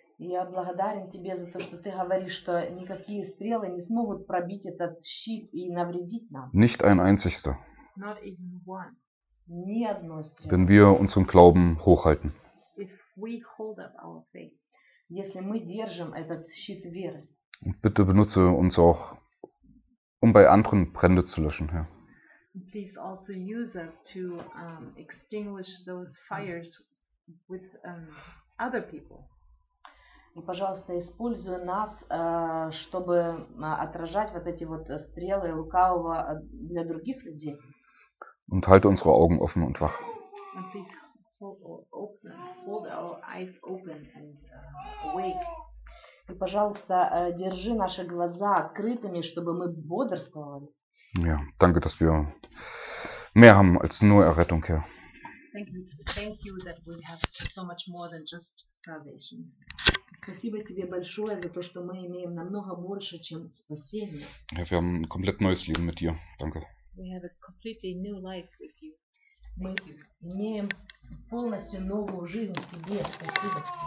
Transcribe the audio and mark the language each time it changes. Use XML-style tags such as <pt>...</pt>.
<ru>Я благодарен тебе за то, что ты говоришь, что никакие стрелы не смогут пробить этот щит и навредить нам.</ru> <de>Nicht ein einziger.</de> <en>Not even one.</en> <ru>Ни одной стрелы.</ru> <de>Wenn wir unseren Glauben hochhalten.</de> <en>If we hold up our faith.</en> <ru>Если мы держим этот щит веры.</ru> <de>Bitte benutze uns auch, um bei anderen Brände zu löschen, Herr.</de> <en>Please also use us to extinguish those fires with other people.</en> <ru>И, пожалуйста, используй нас, чтобы отражать вот эти вот стрелы лукавого для других людей.</ru> <de>Und halte unsere Augen offen und wach.</de> <en>And please hold our eyes open and awake.</en> <ru>И, пожалуйста, держи наши глаза открытыми, чтобы мы бодрствовали.</ru> <de>Ja, danke, dass wir mehr haben als nur Errettung, Herr.</de> <en>Thank you that we have so much more than just salvation.</en> <ru>Спасибо тебе большое за то, что мы имеем намного больше, чем спасение.</ru> <de>Ja, wir haben ein komplett neues Leben mit dir. Danke.</de> <en>We have a completely new life with you.</en> <ru>Мы имеем полностью новую жизнь в тебе. Спасибо.</ru>